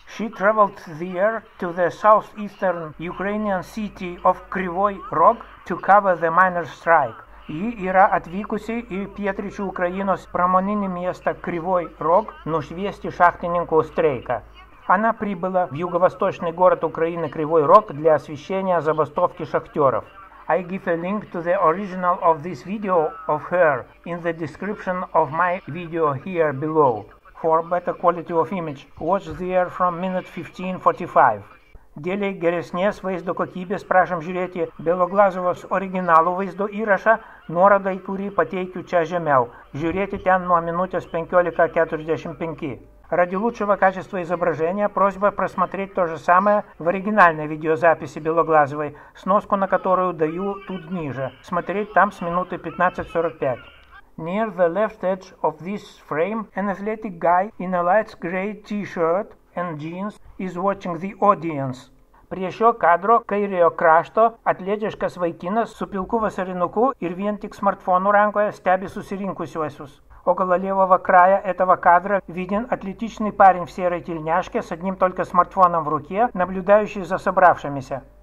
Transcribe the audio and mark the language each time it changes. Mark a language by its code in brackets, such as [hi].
[en] She traveled there to the southeastern Ukrainian city of Kryvyi Rog to cover the miners' strike. [lt] Ji yra atvykusi į pietryčių Ukrainos pramoninį miestą Kryvyi Rog nušviesti šachtininkų streiką. [ru] Она прибыла в юго-восточный город Украины Кривой Рог для освещения забастовки шахтеров. [en] I give a link to the original of this video of her in the description of my video here below. For better quality of image, watch there from minute 15:45. [lt] Dėlei geresnės vaizdo kokybės prašom žiūrėti Beloglazovos originalų vaizdo įrašą, nuorodą į kurį pateikiu čia žemiau. Žiūrėti ten nuo minutės 15:45. [ru] Ради лучшего качества изображения просьба просмотреть то же самое в оригинальной видеозаписи Белоглазовой, сноску на которую даю тут ниже. Смотреть там с минуты 15:45. [en] Near the left edge of this frame, an athletic guy in a light gray t-shirt and jeans is watching the audience. [lt] Prie šio kadro kairiojo krašto atletiškas vaikinas su pilku vasarinuku ir vien tik smartfonu rankoje stebi susirinkusiuosius. [ru] Около левого края этого кадра виден атлетичный парень в серой тельняшке с одним только смартфоном в руке, наблюдающий за собравшимися.